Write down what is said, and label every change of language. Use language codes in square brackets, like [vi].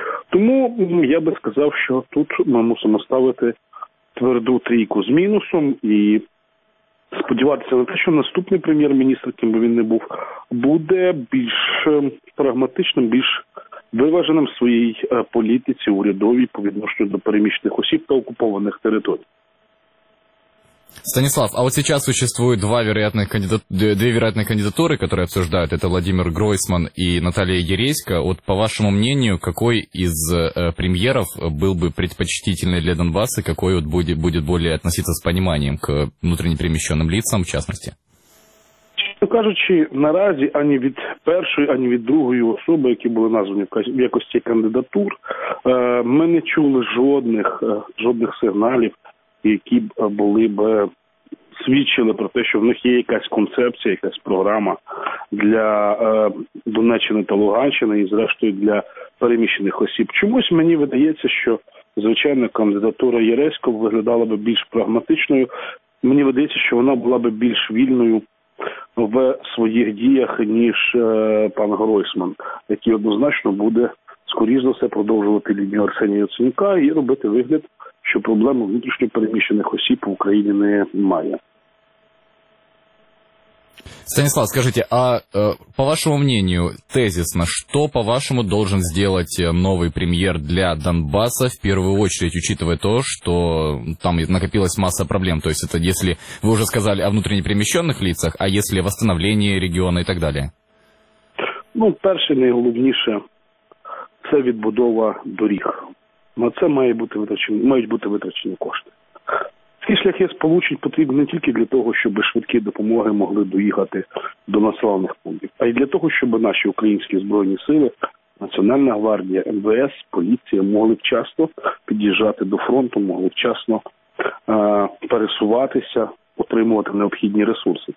[uk] Тому я би сказав, що тут ми мусимо ставити тверду трійку з мінусом і сподіватися на те, що наступний прем'єр-міністр, ким би він не був, буде більш прагматичним, більш виваженим в своїй політиці урядовій по відношенню до переміщених осіб та окупованих територій. [ru] Станислав, а вот сейчас существует две вероятные кандидатуры, которые обсуждают, это Владимир Гройсман и Наталья Ереська. Вот по вашему мнению, какой из премьеров был бы предпочтительный для Донбасса, какой вот будет более относиться с пониманием к внутренне перемещенным лицам, в частности? [uk] Ну, кажучи, наразі ані від першої, ані від другої особи, які були названі в якості кандидатур, ми не чули жодних сигналів, які були б свідчили про те, що в них є якась концепція, якась програма для Донеччини та Луганщини і, зрештою, для переміщених осіб. Чомусь мені видається, що, звичайно, кандидатура Єресько виглядала б більш прагматичною. Мені видається, що вона була б більш вільною в своїх діях, ніж пан Гройсман, який однозначно буде, скоріш за все, продовжувати лінію Арсенія Яценюка і робити вигляд, що проблем внутрішньо переміщених осіб в Україні немає. [ru] Станислав, скажите, а по вашему мнению, тезисно, что, по-вашему, должен сделать новый премьер для Донбасса, в первую очередь, учитывая то, что там накопилась масса проблем? То есть это если вы уже сказали о внутренне перемещенных лицах, а если восстановление региона и так далее? [uk] Ну, перше, найголовніше, це відбудова доріг. На це мають бути витрачені кошти. Ці шляхи сполучень потрібні не тільки для того, щоб швидкі допомоги могли доїхати до населених пунктів, а й для того, щоб наші українські збройні сили, Національна гвардія, МВС, поліція могли вчасно під'їжджати до фронту, могли вчасно пересуватися, отримувати необхідні ресурси.